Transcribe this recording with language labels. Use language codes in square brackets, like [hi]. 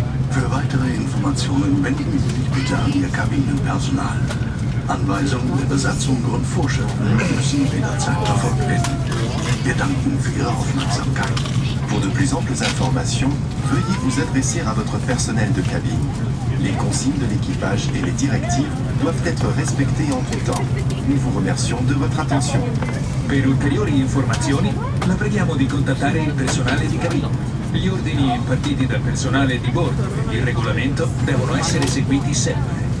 [de] Für weitere Informationen wenden Sie sich bitte an Ihr Kabinenpersonal. Anweisungen der Besatzung und Vorschriften müssen jederzeit verfolgt werden. Wir danken für Ihre Aufmerksamkeit. [fr] Pour de plus amples informations, veuillez vous adresser à votre personnel de cabine. Les consignes de l'équipage et les directives doivent être respectées en tout temps. Nous vous remercions de votre attention. [it] Per ulteriori informazioni, la preghiamo di contattare il personale di cabina. Gli ordini impartiti dal personale di bordo e il regolamento devono essere seguiti sempre.